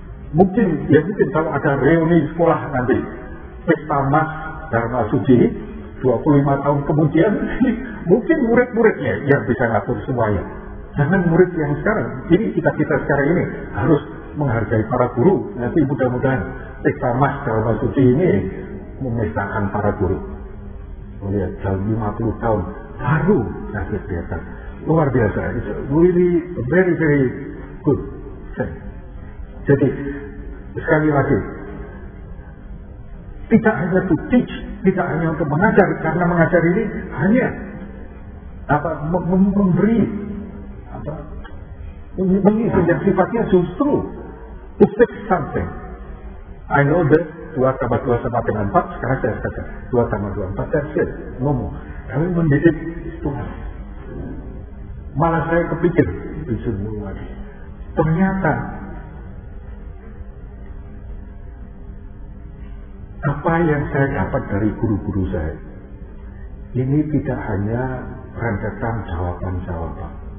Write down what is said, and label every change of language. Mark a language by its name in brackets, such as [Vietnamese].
[Indonesian] Mungkin, ya mungkin kalau ada reuni sekolah nanti, pesta mas Dharma Suci, 25 tahun kemudian, mungkin murid-muridnya yang bisa ngatur semuanya. Jangan murid yang sekarang, ini kita-kita sekarang ini harus menghargai para guru. Nanti mudah-mudahan pesta mas Dharma Suci ini memestakan para guru. Melihat jauh 50 tahun, baru sakit di atas. Luar biasa, [English] it's really very, very good thing. [Indonesian] Jadi, sekali lagi, tidak hanya [English] to teach, [Indonesian] tidak hanya untuk mengajar, karena mengajar ini hanya apa memberi, apa, mengisi, yang sifatnya justru [English] to fix something. I know that 2 + 2 = 4, [Indonesian] sekarang saya katakan [English] 2 + 2 = 4, that's it, [Indonesian] ngomong. Kami mendidik Tuhan. Malah saya kepikir, itu semua ini. Ternyata, apa yang saya dapat dari guru-guru saya ini tidak hanya rentetan jawaban-jawaban.